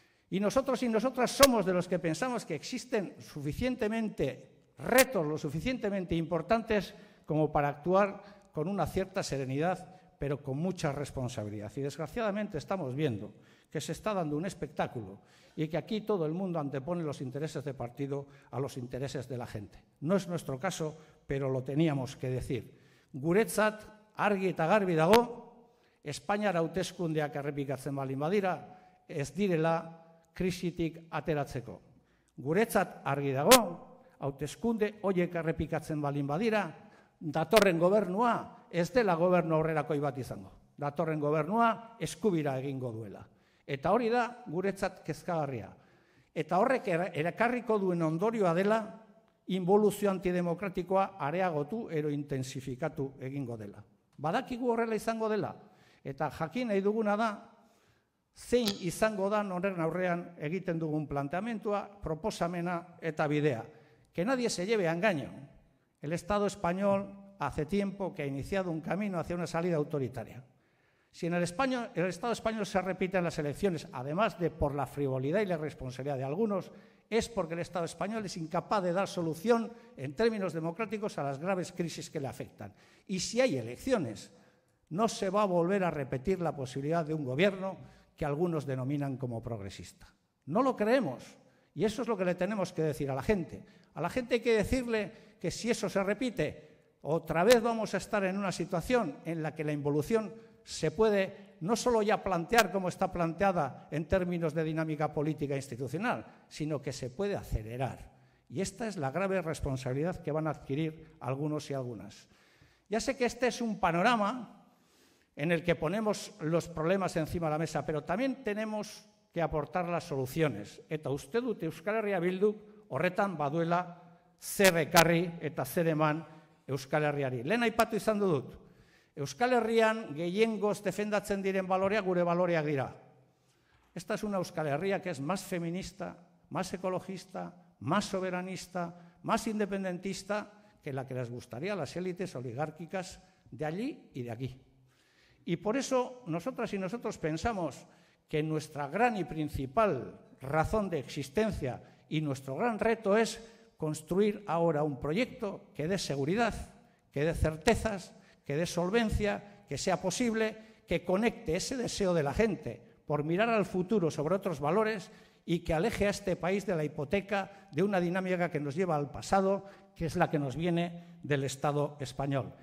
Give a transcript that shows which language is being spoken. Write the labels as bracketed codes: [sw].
[es] Y nosotros y nosotras somos de los que pensamos que existen suficientemente retos, lo suficientemente importantes como para actuar con una cierta serenidad, pero con mucha responsabilidad. Y desgraciadamente estamos viendo que se está dando un espectáculo y que aquí todo el mundo antepone los intereses de partido a los intereses de la gente. No es nuestro caso, pero lo teníamos que decir. [eu] Guretzat, argi eta garbi dago, Espainiar hauteskundeak errepikatzen baldin badira, ez direla krisitik ateratzeko. Guretzat argi dago, hauteskunde horiek errepikatzen baldin badira, datorren gobernua ez dela gobernu aurrerakoi bat izango. Datorren gobernua eskubira egingo duela. Eta hori da guretzat kezkagarria. Eta horrek erakarriko duen ondorioa dela, involuzio antidemokratikoa areagotu ero intensifikatu egingo dela. Badakigu horrela izango dela. Eta jakin nahi duguna da, zein izango da noren aurrean egiten dugun planteamentua, proposamena eta bidea. [es] Que nadie se lleve a engaño. El Estado español hace tiempo que ha iniciado un camino hacia una salida autoritaria. Si en el Estado español se repiten las elecciones, además de por la frivolidad y la irresponsabilidad de algunos, es porque el Estado español es incapaz de dar solución en términos democráticos a las graves crisis que le afectan. Y si hay elecciones, no se va a volver a repetir la posibilidad de un gobierno que algunos denominan como progresista. No lo creemos. Y eso es lo que le tenemos que decir a la gente. A la gente hay que decirle que si eso se repite, otra vez vamos a estar en una situación en la que la involución se puede no solo ya plantear como está planteada en términos de dinámica política institucional, sino que se puede acelerar. Y esta es la grave responsabilidad que van a adquirir algunos y algunas. Ya sé que este es un panorama en el que ponemos los problemas encima de la mesa, pero también tenemos que aportar las soluciones. [eu] Eta uste dut Euskal Herria Bildu horretan baduela zer ekarri eta zer eman Euskal Herriari. Lehen aipatu izan dut, Euskal Herrian gehiengoz defendatzen diren baloreak gure baloreak dira. [es] Esta es una Euskal Herria que es más feminista, más ecologista, más soberanista, más independentista que la que les gustaría a las élites oligárquicas de allí y de aquí. Y por eso nosotras y nosotros pensamos que nuestra gran y principal razón de existencia y nuestro gran reto es construir ahora un proyecto que dé seguridad, que dé certezas, que dé solvencia, que sea posible, que conecte ese deseo de la gente por mirar al futuro sobre otros valores y que aleje a este país de la hipoteca de una dinámica que nos lleva al pasado, que es la que nos viene del Estado español.